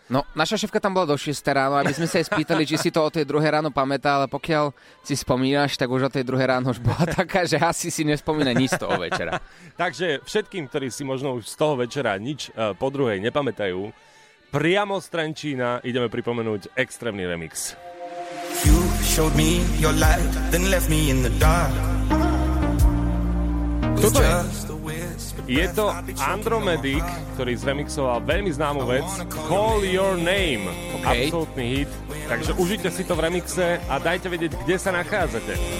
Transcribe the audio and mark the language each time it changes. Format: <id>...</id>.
<sk>No, naša šéfka tam bola do 6 ráno, aby sme sa jej spýtali, či si to o tej 2 ráno pamätá, ale pokiaľ si spomínaš, tak už o tej 2 ráno už bola taká, že asi si nespomína nič z toho večera. Takže všetkým, ktorí si možno už z toho večera nič po druhej nepamätajú, priamo z Trenčína ideme pripomenúť extrémny remix.</sk> <en>You showed me your light, then left me in the dark.</en> <sk>Kto to je? Je to Andromedic, ktorý zremixoval veľmi známu vec Call Your Name. Okay. Absolutný hit. Takže užite si to v remixe a dajte vedieť, kde sa nachádzate.</sk>